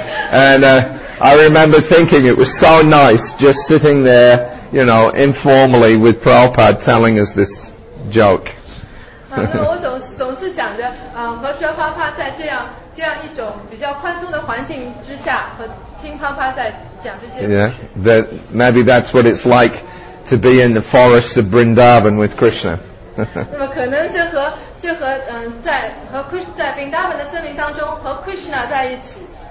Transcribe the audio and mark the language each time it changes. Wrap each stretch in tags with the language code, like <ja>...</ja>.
<en>And I remember thinking it was so nice just sitting there, you know, informally with Prabhupada telling us this joke.</en> <zh>我总是想着，和舒帕帕在这样一种比较宽松的环境之下，和听帕帕在讲这些。</zh> <en>Yeah, that maybe that's what it's like to be in the forests of Vrindavan with Krishna.</en> <zh>那么可能这和在和 Krishna 在 Vrindavan 的森林当中和 Krishna 在一起。</zh>